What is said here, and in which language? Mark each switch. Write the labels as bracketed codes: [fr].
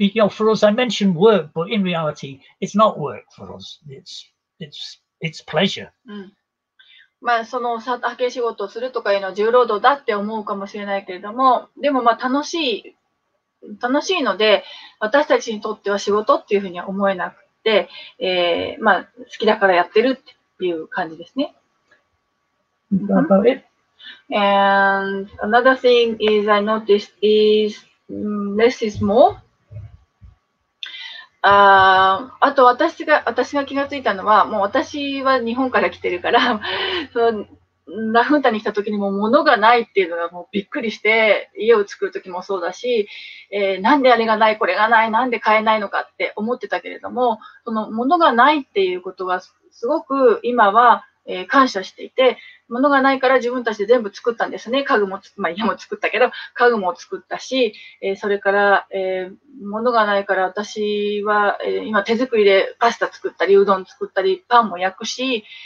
[en] For us, I mentioned work, but in reality, it's not work for us. It's pleasure. Mm. [ja] まあ、その畑仕事をするとかいうのは重労働だって思うかもしれないけれども、でもまあ楽しいので、私たちにとっては仕事っていうふうには思えなくて、まあ、好きだからやってるっていう感じですね。 [en] That about it? And another thing is I noticed is less is more. [ja] あと私が気がついたのは、もう私は日本から来てるから、ラフンタに来た時にも物がないっていうのがもうびっくりして家を作る時もそうだし、なんであれがないこれがないなんで買えないのかって思ってたけれどもその物がないっていうことがすごく今は、感謝していて物がないから自分たちで全部作ったんですね家具も、まあ、家も作ったけど家具も作ったし、それから、物がないから私は、今手作りでパスタ作ったりうどん作ったりパンも焼くし、